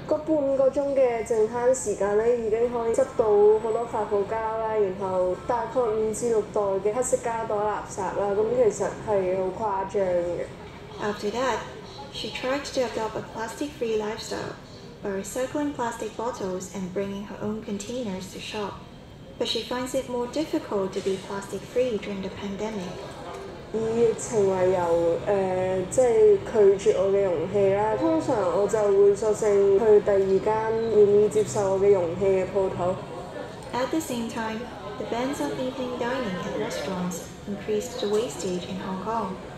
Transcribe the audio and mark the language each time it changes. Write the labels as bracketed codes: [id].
[yue] 個半個鐘嘅淨攤時間咧，已經可以執到好多發泡膠啦，然後大概五至六袋嘅黑色膠袋垃圾啦，咁其實係好誇張嘅。 [en] After that, she tried to adopt a plastic-free lifestyle by recycling plastic bottles and bringing her own containers to shop. But she finds it more difficult to be plastic-free during the pandemic. [yue] 以疫情為由，即係拒絕我嘅容器啦。通常我就會索性去第二間願意接受我嘅容器嘅鋪頭。 [en] At the same time, the bans on evening dining at restaurants increased the wastage in Hong Kong.